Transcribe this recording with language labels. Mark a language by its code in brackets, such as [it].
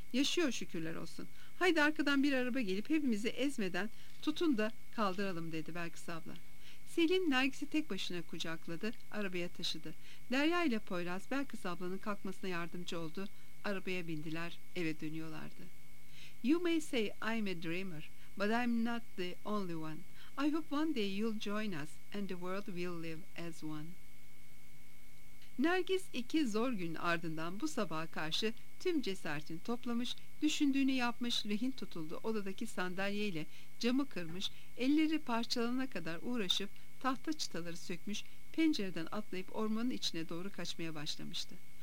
[tr] Yaşıyor şükürler olsun. Haydi arkadan bir araba gelip hepimizi ezmeden tutun da kaldıralım dedi Belkıs abla. Selin Nergis'i tek başına kucakladı, arabaya taşıdı. Derya ile Poyraz Belkıs ablanın kalkmasına yardımcı oldu. Arabaya bindiler, eve dönüyorlardı. [en] You may say I'm a dreamer, but I'm not the only one. I hope one day you'll join us and the world will live as one. [tr] Nergis iki zor günün ardından bu sabaha karşı tüm cesaretini toplamış, Düşündüğünü yapmış, rehin tutuldu odadaki sandalyeyle camı kırmış, elleri parçalanana kadar uğraşıp tahta çıtaları sökmüş, pencereden atlayıp ormanın içine doğru kaçmaya başlamıştı.